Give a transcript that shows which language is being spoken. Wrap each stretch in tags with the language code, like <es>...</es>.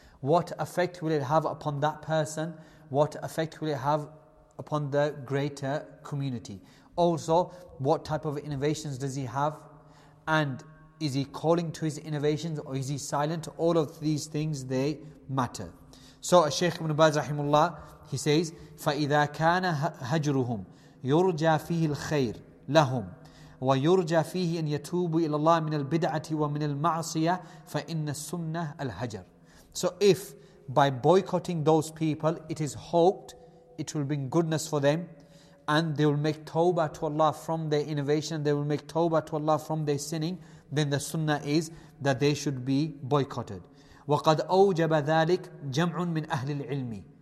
<en>What effect will it have upon that person? What effect will it have upon the greater community? Also, what type of innovations does he have? And is he calling to his innovations or is he silent? All of these things, they matter. So, Shaykh ibn Baz rahimullah, he says,</en> <ar>فَإِذَا كَانَ هَجْرُهُمْ يُرْجَى فِيهِ الْخَيْرِ لَهُمْ وَيُرْجَى فِيهِ أَنْ يَتُوبُ إِلَى اللَّهِ مِنَ الْبِدْعَةِ وَمِنَ الْمَعْصِيَةِ فَإِنَّ السُنَّةَ الْهَجَرِ.</ar> <en>So if by boycotting those people, it is hoped it will bring goodness for them and they will make tawbah to Allah from their innovation, they will make tawbah to Allah from their sinning, then the sunnah is that they should be boycotted.</en> <ar>وَقَدْ أَوْجَبَ ذَلِكَ جَمْعٌ مِّنْ أَهْلِ الْعِلْمِ.</ar>